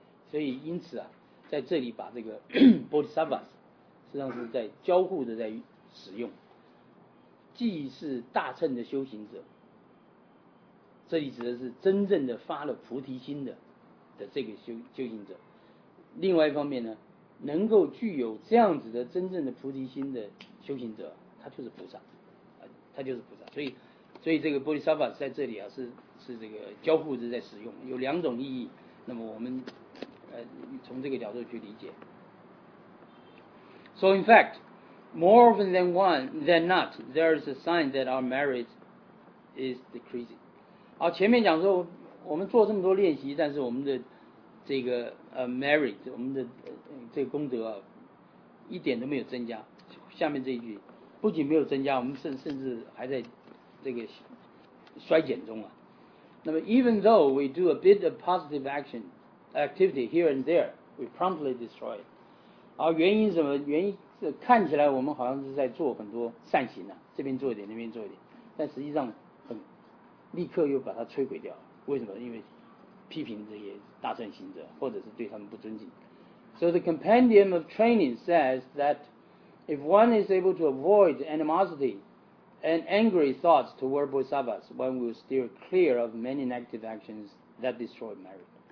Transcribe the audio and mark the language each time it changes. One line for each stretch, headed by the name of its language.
Chinese: 所以因此啊，在这里把这个Bodhisattvas 实际上是在交互的在使用，既是大乘的修行者，这里指的是真正的发了菩提心的这个修行者，另外一方面呢，能够具有这样子的真正的菩提心的修行者，他就是菩萨，他就是菩萨。所以这个Bodhisattvas 在这里啊，是这个交互的在使用，有两种意义。那么我们从这个角度去理解。
English: So in fact, more often than not, there is a sign that our merit is decreasing.
Chinese: 好，前面讲说我们做这么多练习，但是我们的这个merit, 我们的这个功德啊，一点都没有增加。下面这一句不仅没有增加，我们甚至还在这个衰减中啊。那么
English: even though we do a bit of positive action, activity here and there, we promptly destroy it.
Chinese: 好，原因什么？原因是看起来我们好像是在做很多善行呢、啊，这边做一点，那边做一点，但实际上很立刻又把它摧毁掉了。为什么？因为批评这些大乘行者，或者是对他们不尊敬。
English: So the compendium of training says that if one is able to avoid animosity and angry thoughts toward bodhisattvas, one will steer clear of many negative actions that destroy merit.